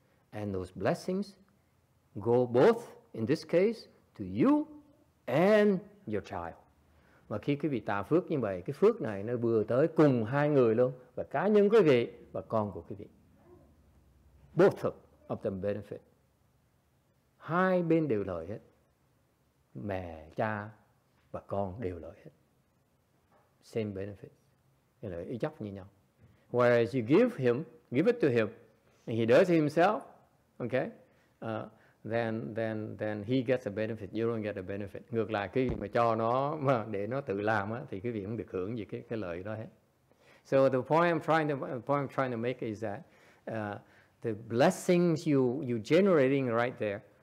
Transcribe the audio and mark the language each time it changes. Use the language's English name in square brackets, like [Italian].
[English] And those blessings go both, in this case, to you and your child. [Vietnamese] Và khi quý vị tạo phước như vậy, cái phước này nó vừa tới cùng hai người luôn, và cá nhân quý vị và con của quý vị. [English] Both of them benefit. [Vietnamese] Hai bên đều lợi hết. Mẹ, cha và con đều lợi hết. [English] Same benefit. [Vietnamese] Cái lợi ích chấp như nhau. [English] Whereas you give it to him, and he does it himself, okay? Then he gets a benefit, you don't get a benefit. [Vietnamese] Ngược lại, cái mà cho nó mà để nó tự làm á, thì cái việc không được hưởng gì cái lợi đó hết. [English] So the point I'm trying to make is that the blessings you generating right there,